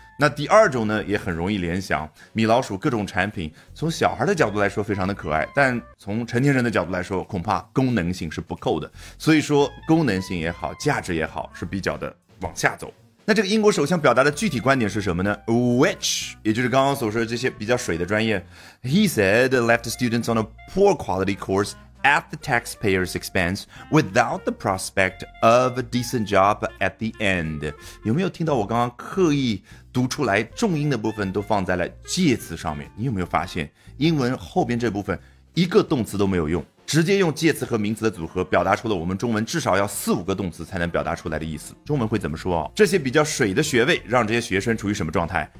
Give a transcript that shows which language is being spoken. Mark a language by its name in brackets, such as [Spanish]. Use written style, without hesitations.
[Chinese] 那第二种呢也很容易联想，米老鼠各种产品从小孩的角度来说非常的可爱，但从成年人的角度来说恐怕功能性是不够的，所以说功能性也好，价值也好，是比较的往下走。那这个英国首相表达的具体观点是什么呢？ [English] Which [Chinese] 也就是刚刚所说的这些比较水的专业， [English] He said left students on a poor quality course at the taxpayer's expense without the prospect of a decent job at the end。 [Chinese] 有没有听到我刚刚刻意读出来重音的部分都放在了介词上面，你有没有发现英文后边这部分一个动词都没有用，直接用介词和名词的组合表达出了我们中文至少要4-5个动词才能表达出来的意思。中文会怎么说、这些比较水的学位让这些学生处于什么状态？